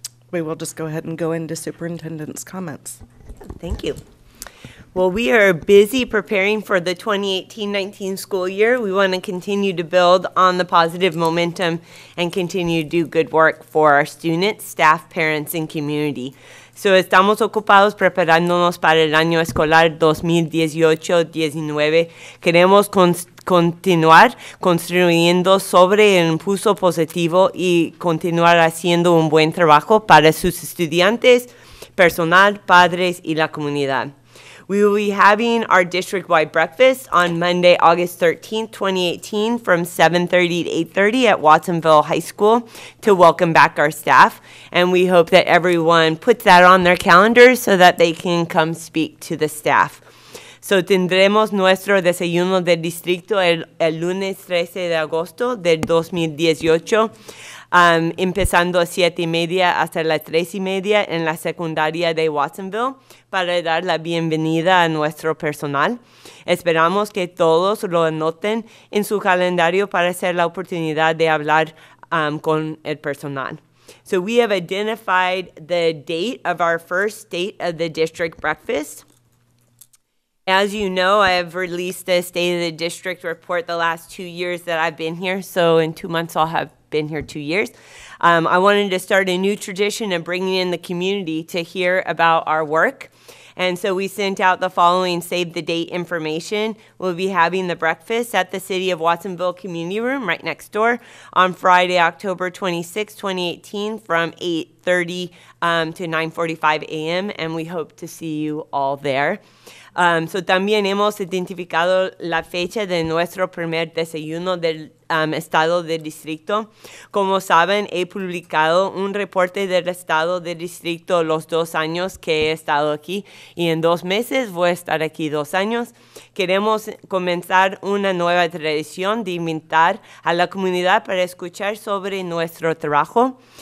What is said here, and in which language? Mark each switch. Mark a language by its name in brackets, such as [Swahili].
[English] We will just go ahead and go into superintendent's comments. Thank you. Well, we are busy preparing for the 2018-19 school year. We want to continue to build on the positive momentum and continue to do good work for our students, staff, parents, and community. [Spanish] So estamos ocupados preparándonos para el año escolar 2018-19. Queremos continuar construyendo sobre el impulso positivo y continuar haciendo un buen trabajo para sus estudiantes, personal, padres, y la comunidad. [English] We will be having our district-wide breakfast on Monday, August 13th, 2018, from 7:30 to 8:30 at Watsonville High School to welcome back our staff. And we hope that everyone puts that on their calendar so that they can come speak to the staff. [Spanish] So tendremos nuestro desayuno del distrito el lunes 13 de agosto del 2018, empezando a 7:30 hasta las 3:30 en la secundaria de Watsonville para dar la bienvenida a nuestro personal. Esperamos que todos lo anoten en su calendario para hacer la oportunidad de hablar con el personal. [English] So we have identified the date of our first date of the district breakfast. As you know, I have released a State of the District report the last 2 years that I've been here. So in 2 months, I'll have been here 2 years. I wanted to start a new tradition of bringing in the community to hear about our work. And so we sent out the following Save the Date information. We'll be having the breakfast at the City of Watsonville Community Room right next door on Friday, October 26, 2018, from 8:30 to 9:45 a.m. And we hope to see you all there. [Spanish] So también hemos identificado la fecha de nuestro primer desayuno del estado del distrito. Como saben, he publicado un reporte del estado del distrito los 2 años que he estado aquí. Y en 2 meses voy a estar aquí 2 años. Queremos comenzar una nueva tradición de invitar a la comunidad para escuchar sobre nuestro trabajo.